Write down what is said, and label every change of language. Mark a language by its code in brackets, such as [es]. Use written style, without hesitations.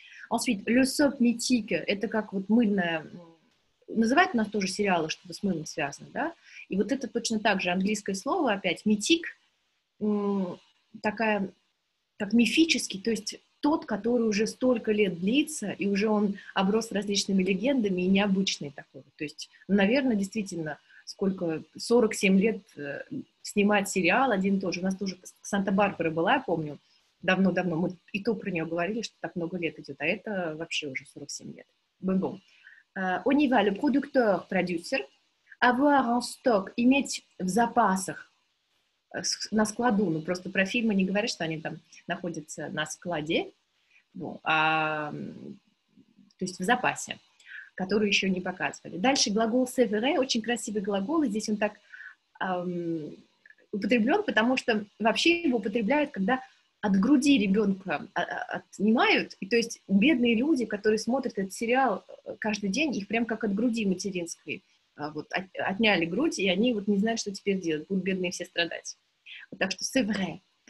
[fr] Ensuite, le soap mythique, [ru] это как вот мыльное, называют у нас тоже сериалы, что-то с мылом связано, да, и вот это точно так же английское слово опять, [fr] mythique, [ru] такая, как мифический, то есть тот, который уже столько лет длится, и уже он оброс различными легендами и необычный такой. То есть, наверное, действительно, сколько, 47 лет снимать сериал один и тот же. У нас тоже Санта-Барбара была, я помню, давно-давно. Мы и то про нее говорили, что так много лет идет, а это вообще уже 47 лет. Бэм-бом. [fr] On y va, le producteur, [ru] продюсер. [fr] Avoir en stock, [ru] иметь в запасах, на складу, ну просто про фильмы не говорят, что они там находятся на складе, ну, а, то есть в запасе, который еще не показывали. Дальше глагол «severé», очень красивый глагол, и здесь он так употреблен, потому что вообще его употребляют, когда от груди ребенка отнимают, и то есть бедные люди, которые смотрят этот сериал каждый день, их прям как от груди материнской вот отняли грудь, и они вот не знают, что теперь делать, будут бедные все страдать. Вот так что [fr] c'est vrai.